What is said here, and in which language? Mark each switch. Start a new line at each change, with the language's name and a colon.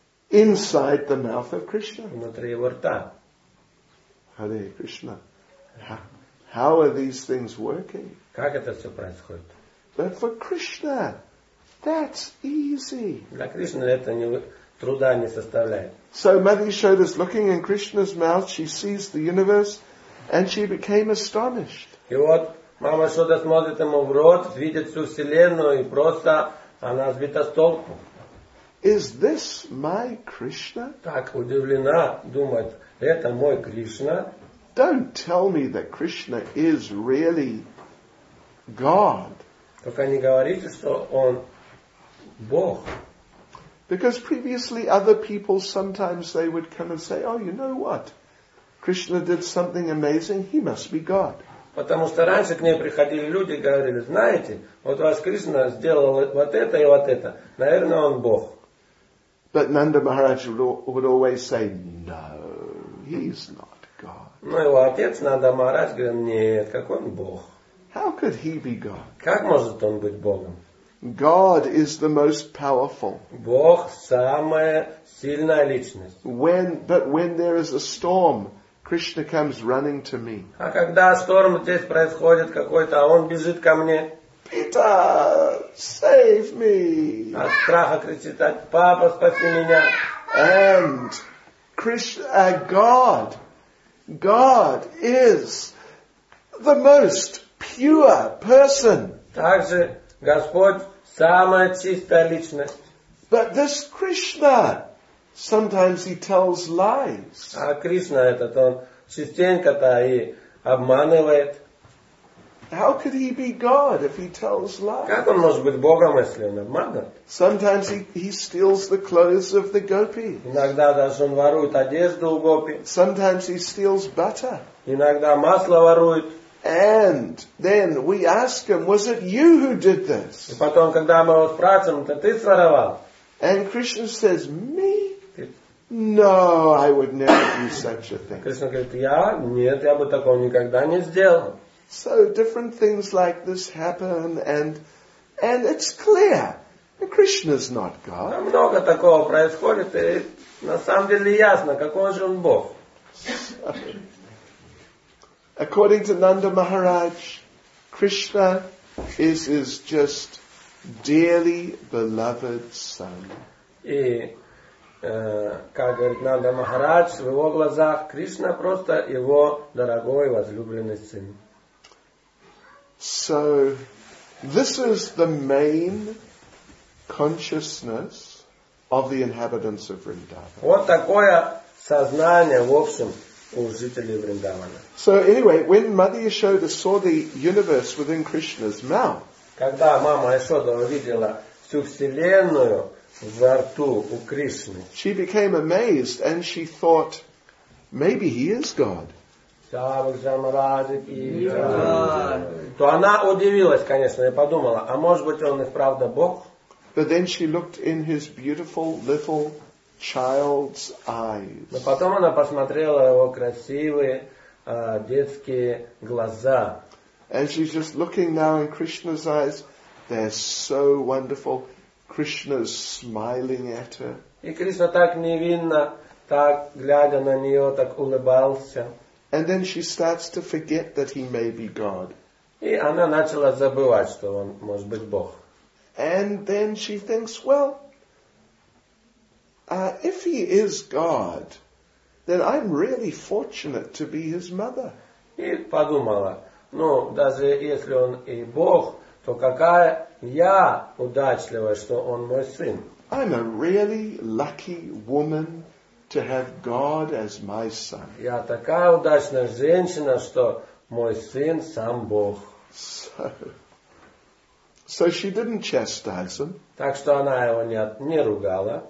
English: Inside the mouth of Krishna.
Russian: Внутри его рта.
English: Hare Krishna. How are these things working?
Russian: Как это все происходит?
English: But for Krishna, that's easy.
Russian: Для Кришны это труда не составляет.
English: So Mother Yashoda is looking in Krishna's mouth, she sees the universe, and she became astonished.
Russian: И вот мама Шода смотрит ему в рот, видит всю вселенную, и просто она сбита с толку.
English: Is this my Krishna?
Russian: Так удивлена, думает, это мой Кришна.
English: Don't tell me that Krishna is really God.
Russian: Только не говорите, что он Бог.
English: Because previously other people sometimes they would come and say, oh, you know what? Krishna did something amazing, he must be God.
Russian: Потому что раньше к ней приходили люди и говорили, знаете, вот у вас Кришна сделал вот это и вот это, наверное, он Бог.
English: But Nanda Maharaj would always say, no, he's not God.
Russian: Но его отец, Нанда Махарадж, говорил, нет, как он Бог.
English: How could he be God?
Russian: Как может он быть Богом?
English: God is the most powerful.
Russian: Бог самая сильная личность.
English: But when there is a storm, Krishna comes running to me.
Russian: А когда шторм здесь происходит какой-то, он бежит ко мне.
English: Pita, save me!
Russian: От страха кричит, папа, спаси меня!
English: And Krishna, God is the most pure person.
Russian: Также Господь самая чистая личность.
English: But this Krishna, sometimes he tells lies.
Russian: А Кришна этот, он частенько-то и обманывает.
English: How could he be God if he tells lies?
Russian: Как он может быть Богом, если он обманывает?
English: Sometimes he steals the clothes of the gopis.
Russian: Иногда даже он ворует одежду у гопи.
English: Sometimes he steals butter.
Russian: Иногда масло ворует.
English: And then we ask him, was it you who did this?
Russian: И потом, когда мы его спрашиваем, то ты своровал?
English: And Krishna says, me? No, I would never do such a thing.
Russian: Кришна говорит, я? Нет, я бы такого никогда не сделал.
English: So different things like this happen, and it's clear, Krishna's not God.
Russian: Много такого происходит, и на самом деле ясно, какой же он Бог.
English: According to Nanda Maharaj, Krishna is his just dearly beloved son.
Russian: И, как говорит Нанда Махарадж, в его глазах Кришна просто его дорогой возлюбленный сын.
English: So, this is the main consciousness of the inhabitants of Vrindavan.
Russian: Вот такое сознание, в общем, у жителей Вриндавана.
English: So anyway, when Mother Yashoda saw the universe within Krishna's mouth,
Russian: когда мама Яшода увидела всю вселенную во рту у Кришны,
English: she became amazed and she thought, maybe he is God.
Russian: То она удивилась, конечно, и подумала, а может быть он и вправду Бог?
English: But then she looked in his beautiful little child's eyes.
Russian: Но потом она посмотрела его красивые детские глаза.
English: And she's just looking now in Krishna's eyes. They're so wonderful. Krishna's smiling at her.
Russian: И Кришна так невинно, так глядя на нее, так улыбался.
English: And then she starts to forget that he may be God.
Russian: И она начала забывать, что он может быть Бог.
English: And then she thinks, well, if he is God, then I'm really fortunate to be his mother.
Russian: И подумала, ну, даже если он и Бог, то какая я удачливая, что он мой сын.
English: I'm a really lucky woman to have God as my son.
Russian: Я такая удачная женщина, что мой сын сам Бог.
English: So she didn't chastise him.
Russian: Так что она его не ругала.